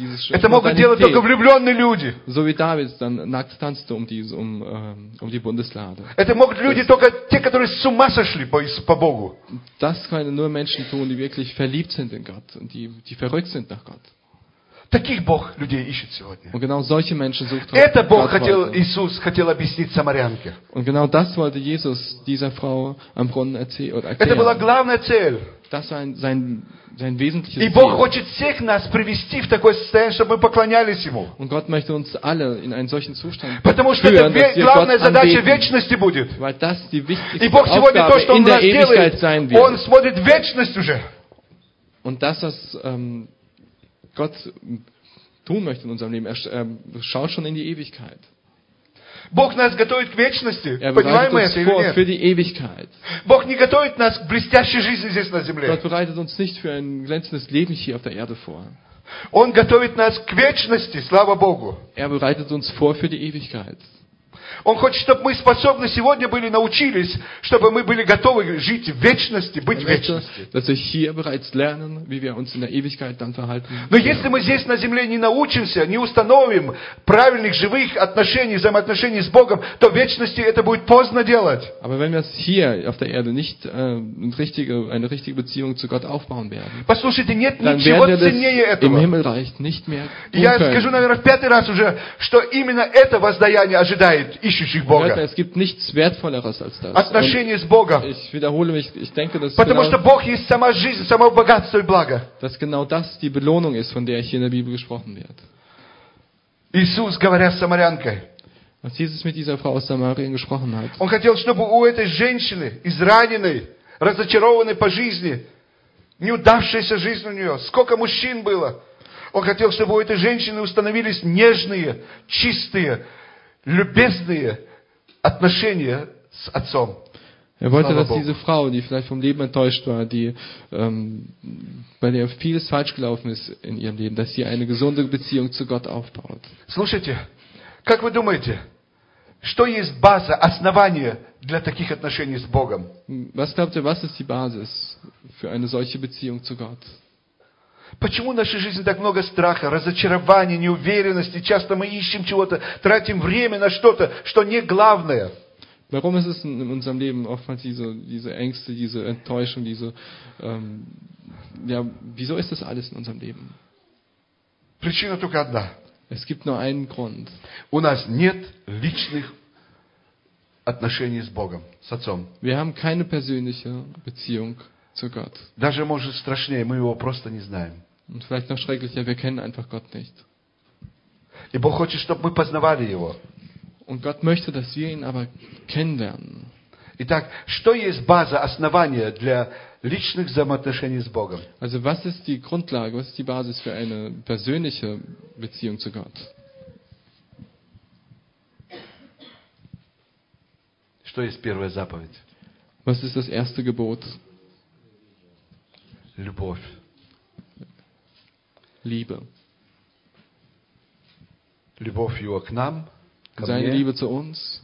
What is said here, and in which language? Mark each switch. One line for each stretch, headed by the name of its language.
Russian: Это могут делать только влюбленные люди.
German: So wie David dann nackt tanzte um die Bundeslade.
Russian: Это могут люди только те, которые с ума сошли по Богу.
German: Das können nur Menschen tun, die wirklich verliebt sind in Gott und die verrückt sind nach Gott.
Russian: Таких Бог людей ищет сегодня.
German: Und genau solche Menschen sucht Gott.
Russian: Это Бог хотел Иисус хотел объяснить самарянке.
German: Und genau das wollte Jesus dieser Frau am Brunnen erklären.
Russian: Это была главная цель.
German: Das war sein wesentliches Ziel.
Russian: И Бог хочет всех нас привести в такое состояние, чтобы мы поклонялись Ему.
German: Und Gott möchte uns alle in einen solchen Zustand
Russian: Потому что
German: führen,
Russian: это главная задача вечности будет.
German: Weil das die wichtigste
Russian: И Бог сегодня то, что Он нас делает,
German: sein wird.
Russian: Он смотрит вечность уже.
German: Und das, was Gott tun möchte in unserem Leben, er schaut schon in die Ewigkeit.
Russian: Бог нас готовит к вечности.
German: Er
Russian: понимаем мы это или нет? Бог не готовит нас к блестящей жизни здесь на земле.
German: Gott bereitet uns nicht für ein glänzendes Leben hier auf der Erde vor.
Russian: Он готовит нас к вечности, слава Богу.
German: Er bereitet uns vor für die Ewigkeit.
Russian: Он хочет, чтобы мы способны сегодня были научились, чтобы мы были готовы жить в вечности, быть в вечности.
German: Dass wir hier bereits lernen, wie wir uns in der Ewigkeit dann verhalten.
Russian: Но если мы здесь на земле не научимся, не установим правильных живых отношений, взаимоотношений с Богом, то в вечности это будет поздно делать.
German: Aber wenn wir hier auf der Erde nicht eine richtige Beziehung zu Gott aufbauen werden,
Russian: послушайте, нет ничего ценнее этого.
German: Im Himmelreich nicht mehr
Russian: Я скажу, наверное, в пятый раз уже, что именно это воздаяние ожидает.
German: Leute, es gibt nichts Wertvolleres als das. Ich wiederhole mich, ich denke, dass dass genau das die Belohnung ist, von der hier in der Bibel gesprochen wird.
Russian: Иисус, говоря с самарянкой,
German: Als Jesus mit dieser Frau aus Samarien gesprochen hat.
Russian: Он хотел, чтобы у этой женщины, израненной, разочарованной по жизни, неудавшейся жизнь у нее, сколько мужчин было. Он хотел, чтобы у этой женщины установились нежные, чистые, любезные отношения с отцом.
German: Er wollte, dass diese Frau, die vielleicht vom Leben enttäuscht war, die bei der vieles falsch gelaufen ist in ihrem Leben, dass sie eine gesunde Beziehung zu Gott aufbaut.
Russian: Слушайте, как вы думаете, что есть база, основание для таких отношений с Богом?
German: Was glaubt ihr, was ist die Basis für eine solche Beziehung zu Gott?
Russian: Почему в нашей жизни так много страха, разочарования, неуверенности? Часто мы ищем чего-то, тратим время на что-то, что не главное.
German: Warum ist es in unserem Leben oftmals diese Ängste, diese Enttäuschung, diese wieso ist das alles in unserem Leben?
Russian: Причина только одна.
German: Es gibt nur einen Grund.
Russian: У нас нет личных отношений с Богом, с Отцом.
German: Wir haben keine persönliche Beziehung zu Gott.
Russian: Даже может страшнее, мы его просто не знаем.
German: Und vielleicht noch schrecklicher, wir kennen einfach Gott nicht.
Russian: И Бог хочет, чтобы мы познавали его.
German: Und Gott möchte, dass wir ihn aber kennenlernen.
Russian: Итак, что есть база, основание для личных взаимоотношений с Богом?
German: Also was ist die Grundlage, was ist die Basis für eine persönliche Beziehung zu Gott?
Russian: Что есть первая заповедь?
German: Was ist das erste Gebot?
Russian: Любовь.
German: Liebe.
Russian: Любовь его к нам.
German: Seine Liebe zu uns.